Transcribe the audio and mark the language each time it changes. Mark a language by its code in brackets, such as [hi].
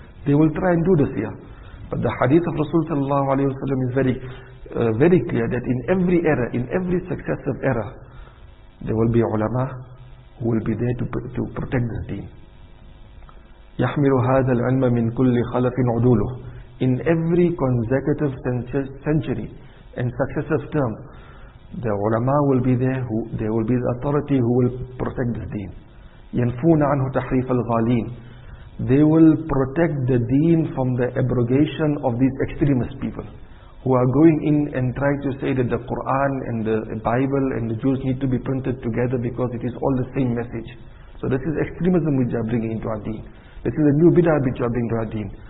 [en] They will try and do this here. But the hadith of Rasul sallallahu alayhi wa sallam is very, very clear that in every era, in every successive era, there will be ulama who will be there to protect this deen. [ar] يَحْمِلُ هَذَا الْعِلْمَ مِنْ كُلِّ خَلَفٍ عُدُولُهُ. [en] In every consecutive century and successive term, the ulama will be there, they will be the authority who will protect this deen. [ar] يَنْفُونَ عَنْهُ تَحْرِيفَ الْغَالِينَ. [en] They will protect the deen from the abrogation of these extremist people who are going in and trying to say that the Quran and the Bible and the Jews need to be printed together because it is all the same message. So this is extremism which they are bringing into our deen. This is a new bid'ah which are bringing to our deen.